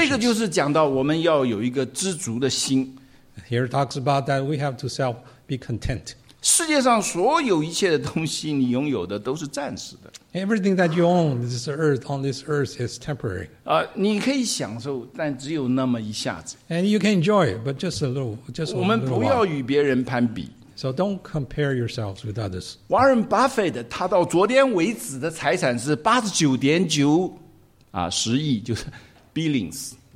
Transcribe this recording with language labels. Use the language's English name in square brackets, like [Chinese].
[Chinese] 这个就是讲到我们要有一个知足的心。 [English] Here it talks about that we have to self be content. [Chinese] 世界上所有一切的东西你拥有的都是暂时的。 [English] Everything that you own this earth, on this earth is temporary. [Chinese] 你可以享受但只有那么一下子。 [English] And you can enjoy it, but just a little, just a little while. [Chinese] 我们不要与别人攀比。 [English] So don't compare yourselves with others. [Chinese] Warren Buffett, 他到昨天为止的财产是 89.9 billion, 就是 billions.